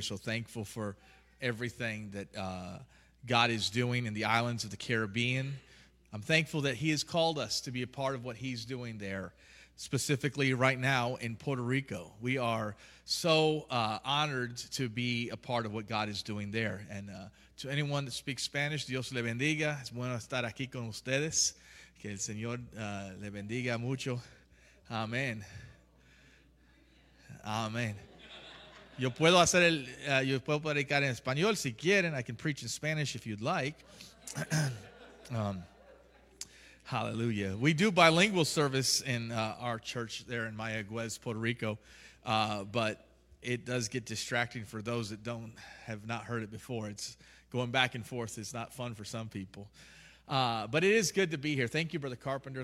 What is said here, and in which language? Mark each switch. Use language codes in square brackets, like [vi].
[en] So thankful for everything that God is doing in the islands of the Caribbean. I'm thankful that he has called us to be a part of what he's doing there, specifically right now in Puerto Rico. We are so honored to be a part of what God is doing there. And to anyone that speaks Spanish, [es] Dios le bendiga. Es bueno estar aquí con ustedes. Que el Señor le bendiga mucho. Amén. Amén. Yo puedo hacer el, yo puedo predicar en español si quieren. [en] I can preach in Spanish if you'd like. Hallelujah. We do bilingual service in our church there in Mayagüez, Puerto Rico, but it does get distracting for those that don't have not heard it before. It's going back and forth. It's not fun for some people, but it is good to be here. Thank you, Brother Carpenter.